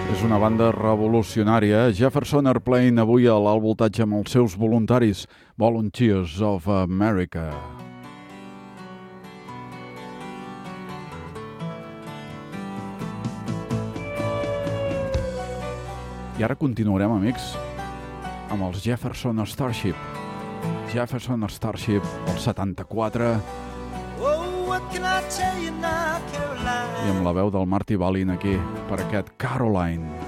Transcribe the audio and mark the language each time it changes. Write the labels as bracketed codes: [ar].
[ca] Una banda revolucionària, Jefferson Airplane, avui a l'alt voltatge amb els seus voluntaris, Volunteers of America. I ara continuarem, amics, amb els Jefferson Starship. Jefferson Starship, el 74. [en] Oh, what can I tell you now, Caroline? [ca] I amb la veu del Marty Balin aquí, per aquest Caroline.